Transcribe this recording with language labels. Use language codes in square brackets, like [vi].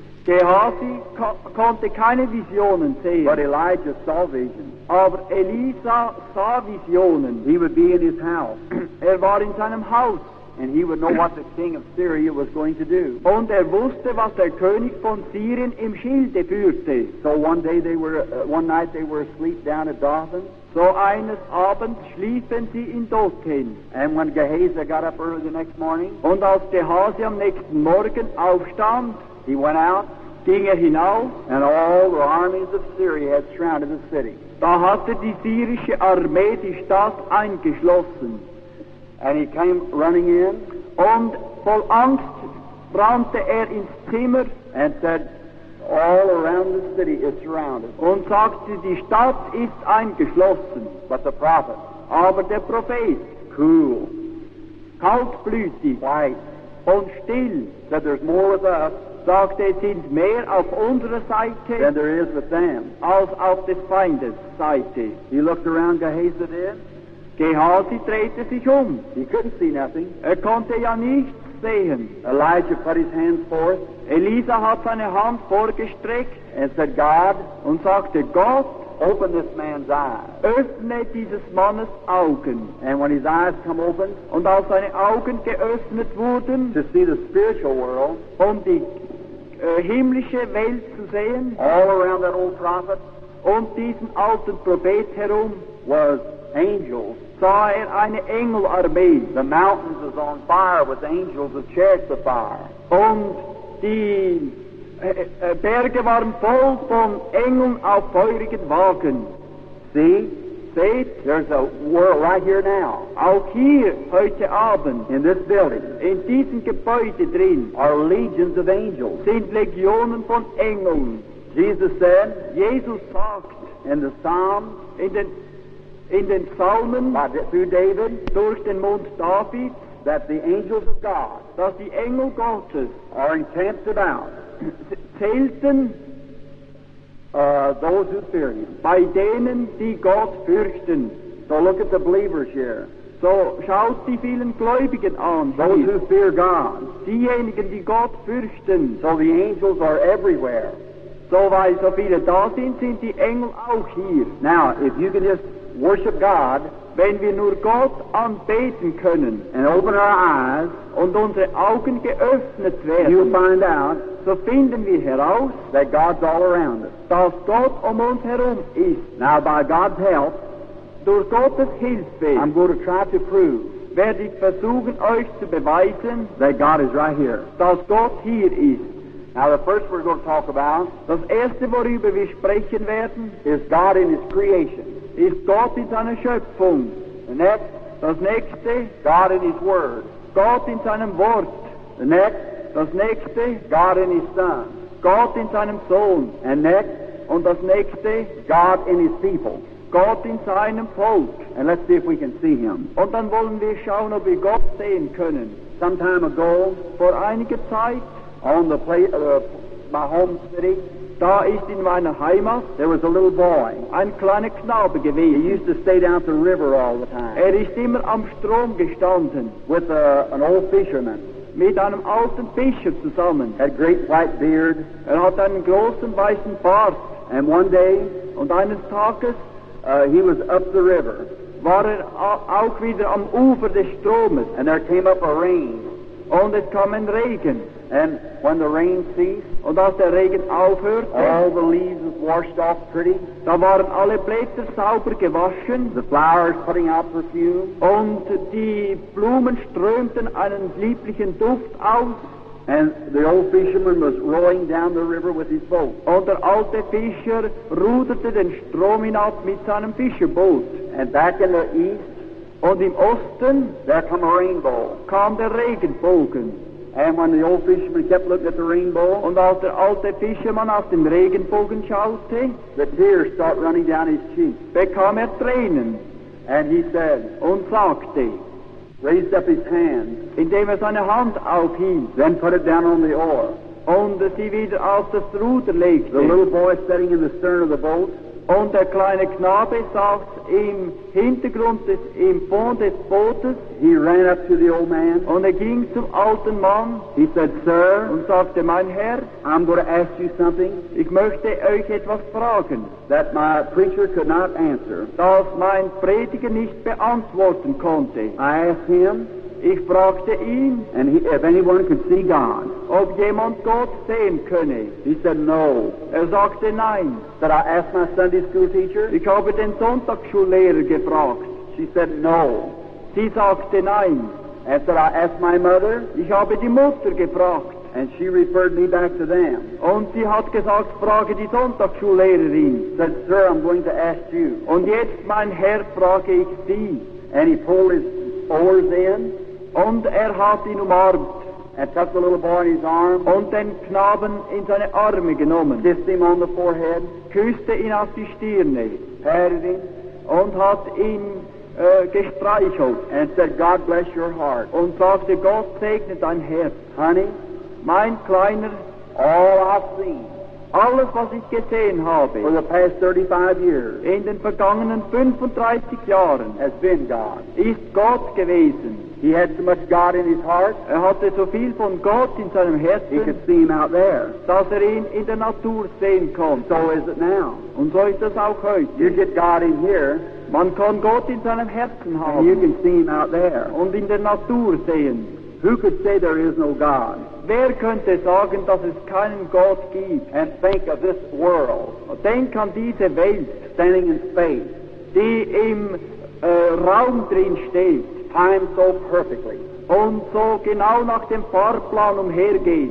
[de] Gehazi konnte keine Visionen sehen. [en] But Elijah saw visions. [de] Aber Elisa sah Visionen. [en] He would be in his house. [de] Er war in seinem Haus. [en] And he would know what the king of Syria was going to do. [de] Und er wusste, was der König von Syrien im Schilde führte. [en] So one day they were, one night they were asleep down at Dothan. [de] So eines Abends schliefen sie in Dothan. [en] And when Gehazi got up early the next morning. [de] Und als Gehazi am nächsten Morgen aufstand. [en] He went out. [de] Ging er hinaus. [en] And all the armies of Syria had surrounded the city. [de] Da hatte die syrische Armee die Stadt eingeschlossen. [en] And he came running in. [de] Und voll Angst rannte er ins Zimmer. [en] And said, all around the city is surrounded. [de] Und sagte, die Stadt ist eingeschlossen. [en] But the prophet. [de] Aber der Prophet. [en] Cool. [de] Kaltblütig. [en] White. [de] Und still. [en] Said, there's more with us. [de] Sagte, es sind mehr auf unserer Seite [en] than there is with them. [de] Als auf des Feindes Seite. [en] He looked around Gehazi then. [de] Gehazi drehte sich um. [en] He couldn't see nothing. [de] Er konnte ja nichts sehen. [en] Elijah put his hands forth. [de] Elisa hat seine Hand vorgestreckt. [en] And said, God. [de] Und sagte, Gott. [en] Open this man's eyes. [de] Öffne dieses Mannes Augen. [en] And when his eyes come open. [de] Und als seine Augen geöffnet wurden. [en] To see the spiritual world. [de] Um die himmlische Welt zu sehen. [en] All around that old prophet. [de] Um diesen alten Prophet herum. [en] Was angels. [de] Sah er eine Engelarmee. [en] The mountains is on fire with angels with chariots of fire. [de] Und die Berge waren voll von Engeln auf feurigen Wagen. [en] See? [de] Seht? [en] There's a world right here now. [de] Auch hier, heute Abend. [en] In this building. [de] In diesem Gebäude drin. [en] Are legions of angels. [de] Sind Legionen von Engeln. [en] Jesus said. [de] Jesus sagt. [en] In the Psalms. [de] In den Psalmen. [en] Through David. [de] Durch den Mund David. [en] That the angels of God. [de] Dass die Engel Gottes. [en] Are encamped about. [de] Zählten [en] those who fear him. [de] Bei denen, die Gott fürchten. [en] So look at the believers here. [de] So schaut die vielen Gläubigen an. [en] Those who fear God. [de] Diejenigen, die Gott fürchten. [en] So the angels are everywhere. [de] So weil so viele da sind, sind die Engel auch hier. [en] Now, if you can just worship God. [de] Wenn wir nur Gott anbeten können. [en] And open our eyes. [de] Und unsere Augen geöffnet werden. [en] You'll find out. [de] So finden wir heraus, [en] that God's all around us. [de] Dass Gott um uns herum ist. [en] Now by God's help, [de] durch Gottes Hilfe, [en] I'm going to try to prove, [de] werde ich versuchen euch zu beweisen, [en] that God is right here. [de] Dass Gott hier ist. [en] Now the first we're going to talk about, [de] das erste worüber wir sprechen werden, [en] is God in His creation. [de] Ist Gott in seiner Schöpfung. [en] The next, [de] das nächste, [en] God in His Word. [de] Gott in seinem Wort. [en] The next. [de] Das nächste, [en] God in His Son. [de] Gott in seinem Sohn. [en] And next, [de] und das nächste, [en] God in His people. [de] Gott in seinem Volk. [en] And let's see if we can see Him. [de] Und dann wollen wir schauen, ob wir Gott sehen können. [en] Some time ago, [de] vor einiger Zeit, [en] on the place of my home city, [de] da ist in meiner Heimat, [en] there was a little boy, [de] ein kleiner Knabe gewesen. [en] He used to stay down the river all the time. [de] Er ist immer am Strom gestanden, [en] with an old fisherman. [de] Mit einem alten Fischer zusammen. [en] Had great white beard. [de] Er hat einen großen weißen Bart. [en] And one day, [de] und eines Tages, [en] he was up the river. [de] War er auch wieder am Ufer des Stromes. [en] And there came up a rain. [de] Und es kam ein Regen. [en] And when the rain ceased, [de] und als der Regen aufhörte, [en] all the leaves washed off pretty. [de] Da waren alle Blätter sauber gewaschen. [en] The flowers putting out perfume. [de] Und die Blumen strömten einen lieblichen Duft aus. [en] And the old fisherman was rowing down the river with his boat. [de] Und der alte Fischer ruderte den Strom hinab mit seinem Fischerboot. [en] And back in the east, [de] und im Osten, [en] there came a rainbow. [de] Kam der Regenbogen. [en] And when the old fisherman kept looking at the rainbow, [de] und als der alte Fischermann auf den Regenbogen schaute, [en] the tears start running down his cheeks. [de] Bekam er Tränen. [en] And he said, [de] und sagte, [en] raised up his hand, [de] indem er seine Hand aufhielt, [en] then put it down on the oar, [de] und sie wieder auf das Ruder legte. [en] The little boy sitting in the stern of the boat, [de] Und der kleine Knabe saß im Hintergrund des, im Fond des Bootes. [en] He ran up to the old man. [de] Und ging zum alten Mann. [en] He said, sir. [de] Und sagte, mein Herr. [en] I'm going to ask you something. [de] Ich möchte euch etwas fragen. [en] That my preacher could not answer. [de] Das mein Prediger nicht beantworten konnte. [en] I asked him. [de] Ich fragte ihn. [en] And he, if anyone could see God. [de] Ob jemand Gott sehen könne. [en] He said no. [de] Sagte nein. [en] Did I ask my Sunday school teacher? [de] Ich habe den Sonntagsschullehrer gefragt. [en] She said no. [de] Sie sagte nein. [en] After I asked my mother. [de] Ich habe die Mutter gefragt. [en] And she referred me back to them. [de] Und sie hat gesagt, frage die Sonntagsschullehrerin. [en] Said, sir, I'm going to ask you. [de] Und jetzt, mein Herr, frage ich sie. [en] And he pulled his oars in. [de] Und hat ihn umarmt. [en] And took the little boy in his arms. [de] Und den Knaben in seine Arme genommen. [en] Kissed him on the forehead. [de] Küsste ihn auf die Stirne. [en] Patted him. [de] Und hat ihn gestreichelt. [en] And said, God bless your heart. [de] Und sagte, Gott segne dein Herz. [en] Honey, [de] mein Kleiner, [en] all I've seen. [de] Alles, was ich gesehen habe. [en] For the past 35 years. [de] In den vergangenen 35 Jahren. [en] Has been God. [de] Ist Gott gewesen. [en] He had so much God in his heart. [de] Er hatte so viel von Gott in seinem Herzen. [en] He could see him out there. [de] Dass ihn in der Natur sehen konnte. [en] So is it now. [de] Und so ist es auch heute. [en] You get God in here. [de] Man kann Gott in seinem Herzen haben. [en] And you can see him out there. [de] Und in der Natur sehen. [en] Who could say there is no God? [de] Wer könnte sagen, dass es keinen Gott gibt? [en] And think of this world. [de] Denk an diese Welt. [en] Standing in space. [de] Die im Raum drin steht. [en] Timed so perfectly. [de] Und so genau nach dem Fahrplan umhergeht.